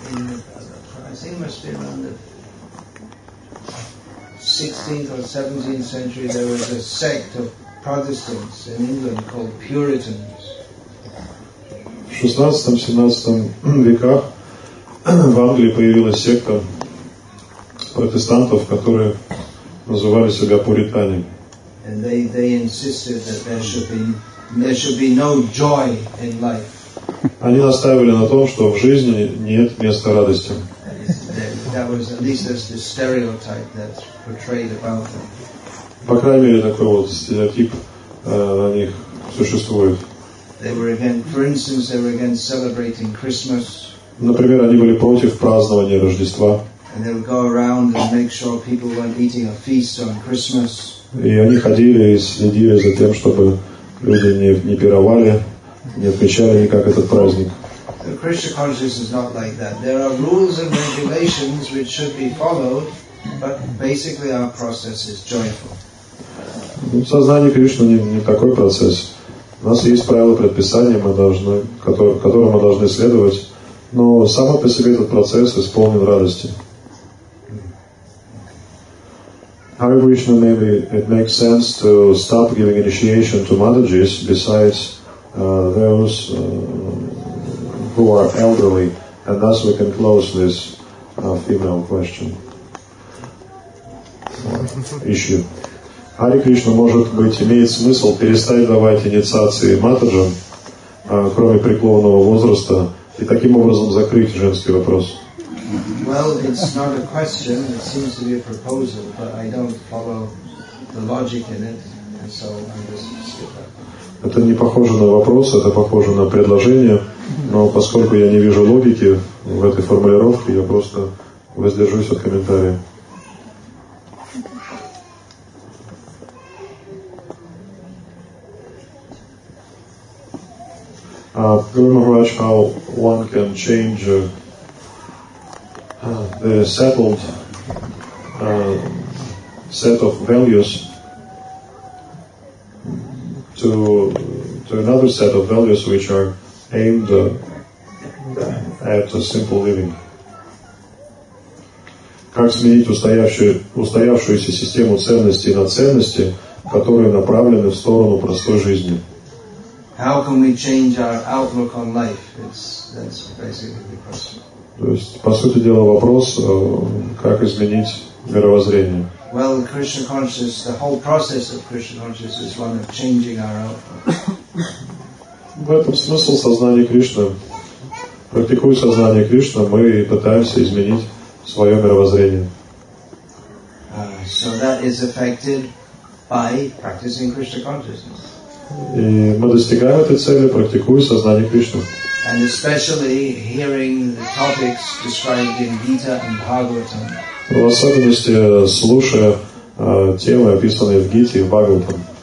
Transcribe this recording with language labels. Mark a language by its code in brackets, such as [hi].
[en] In I think it must be around the 16th or 17th century. There was a sect of Protestants in England called Puritans. [ru] 16th-17th веках. В Англии появилась секта протестантов, которые называли себя пуритане. [en] And they insisted that there should be no joy in life. [ru] Они настаивали на том, что в жизни нет места радости. [en] That was at least the stereotype that's portrayed about them. [ru] По крайней мере, такой вот стереотип на них существует. [en] They were against, for instance, they were against celebrating Christmas. [ru] Например, они были против празднования Рождества. [en] And they would go around and make sure people weren't eating a feast on Christmas. [ru] И они ходили и следили за тем, чтобы люди не пировали, не отмечали никак этот праздник. [en] The Krishna consciousness is not like that. There are rules and regulations which should be followed, but basically our process is joyful. [ru] Сознание Кришны не такой процесс. У нас есть правила предписания, которым мы должны следовать, но само по себе этот процесс исполнен радости. [en] Hare Krishna, maybe it makes sense to stop giving initiation to Matajis besides those who are elderly, and thus we can close this female question. Issue. [ru] Hare Krishna, может быть, имеет смысл перестать давать инициации Матаджам, кроме преклонного возраста, и таким образом закрыть женский вопрос? [en] Well, it's not a question, it seems to be a proposal, but I don't follow the logic in it, and so I just skip that. [ru] Это не похоже на вопрос, это похоже на предложение, но поскольку я не вижу логики в этой формулировке, я просто воздержусь от комментария. [en] Guru Maharaj, how one can change the settled set of values to another set of values which are aimed at a simple living. [ru] Как сменить устоявшуюся систему ценностей на ценности, которые направлены в сторону простой жизни? [en] How can we change our outlook on life? That's basically the question. [ru] То есть, по сути дела, вопрос, как изменить мировоззрение. [en] Well, Krishna consciousness, the whole process of Krishna consciousness is one of changing our outlook. [ru] В этом смысл сознания Кришны. Практикуя сознание Кришны, мы пытаемся изменить свое мировоззрение. [en] So that is affected by practicing Krishna consciousness. [ru] И мы достигаем этой цели, практикуя сознание Кришны. [en] And especially hearing the topics described in Gita and Bhagavatam. [ru] В особенности слушая темы, описанные в Гите и в Бхагаватам.